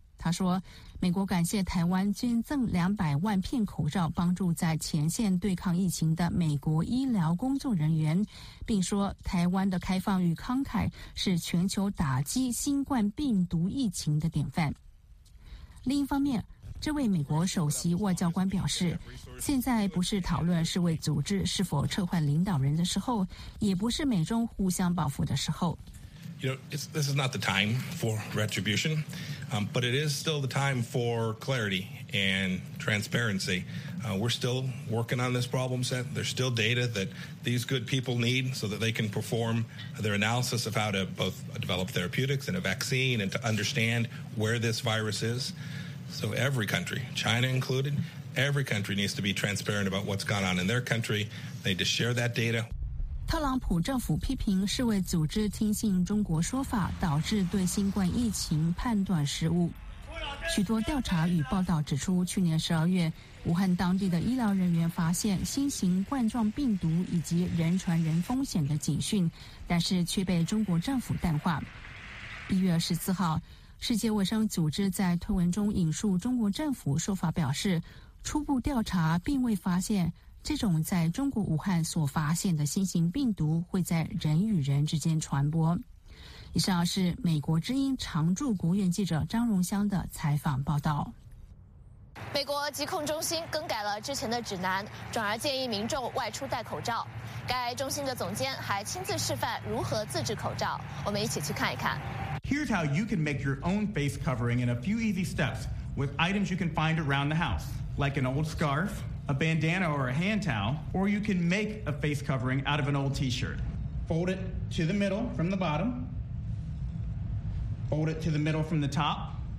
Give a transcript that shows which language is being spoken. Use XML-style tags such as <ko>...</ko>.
<zh>他说，美国感谢台湾捐赠200万片口罩，帮助在前线对抗疫情的美国医疗工作人员，并说台湾的开放与慷慨是全球打击新冠病毒疫情的典范。另一方面，这位美国首席外交官表示，现在不是讨论世卫组织是否撤换领导人的时候，也不是美中互相报复的时候。</zh> <en>You know, this is not the time for retribution, but it is still the time for clarity and transparency. We're still working on this problem set. There's still data that these good people need so that they can perform their analysis of how to both develop therapeutics and a vaccine and to understand where this virus is. So every country, China included, every country needs to be transparent about what's gone on in their country. They need to share that data.</en> <zh>特朗普政府批评世卫组织听信中国说法，导致对新冠疫情判断失误。许多调查与报道指出，去年12月，武汉当地的医疗人员发现新型冠状病毒以及人传人风险的警讯，但是却被中国政府淡化。1月14号。世界卫生组织在推文中引述中国政府说法，表示初步调查并未发现这种在中国武汉所发现的新型病毒会在人与人之间传播。以上是美国之音常驻国务院记者张荣香的采访报道。美国疾控中心更改了之前的指南，转而建议民众外出戴口罩。该中心的总监还亲自示范如何自制口罩，我们一起去看一看。</zh> <en>Here's how you can make your own face covering in a few easy steps with items you can find around the house, like an old scarf, a bandana or a hand towel, or you can make a face covering out of an old t-shirt. Fold it to the middle from the bottom. Fold it to the middle from the top.</en>